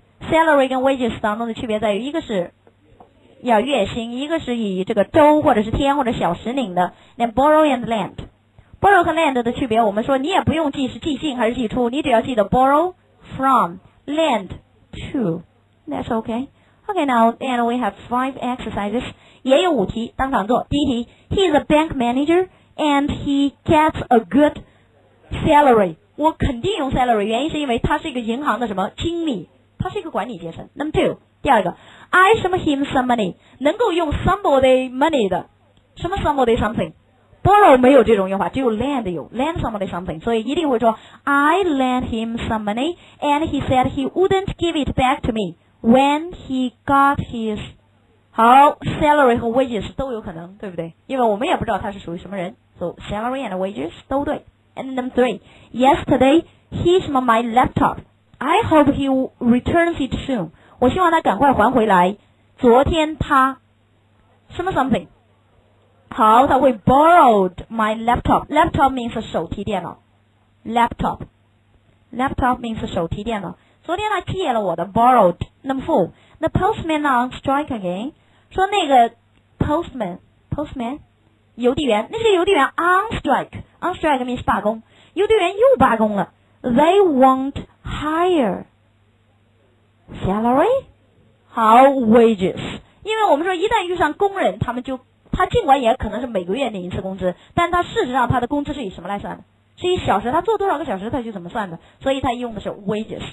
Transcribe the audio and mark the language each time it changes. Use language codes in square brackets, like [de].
[zh] salary 跟 wages 当中的区别在于，一个是要月薪，一个是以这个周或者是天或者小时领的。 [en] then borrow and lend, [zh] borrow 和 lend 的区别，我们说你也不用记是记进还是记出，你只要记得 [en] borrow from, lend to, that's ok. ok now, and we have 5 exercises, [zh] 也有五题当场做。第一题， [en] he's a bank managerAnd he gets a good salary. [zh] 我肯定用 salary, 原因是因为他是一个银行的什么经理，他是一个管理阶层。 [en] Number two, [zh] 第二个， [en] I 什么 him some money, 能够用 somebody money 的，什么 somebody something, borrow [zh] 没有这种用法，只有 [en] lend 有， lend somebody something, [zh] 所以一定会说 [en] I lend him some money, and he said he wouldn't give it back to me when he got his... [zh] 好 salary 和 wages 都有可能，对不对？因为我们也不知道他是属于什么人， [en] so salary and wages [zh] 都对。 [en] And number three, yesterday he smashed my laptop, I hope he returns it soon, [zh] 我希望他赶快还回来，昨天他什么 [en] something, [zh] 好，他会 [en] borrowed my laptop, laptop means 手提电脑， laptop, laptop means 手提电脑， [zh] 昨天他借了我的 [en] borrowed. Number four, the postman on strike again, [zh] 说那个 postman 邮递员，那些邮递员 on strike means 罢工，邮递员又罢工了， [en] they want higher salary, [zh] 好 wages, 因为我们说一旦遇上工人，他们就他尽管也可能是每个月领一次工资，但他事实上他的工资是以什么来算的，是以小时，他做多少个小时他就怎么算的，所以他用的是 wages。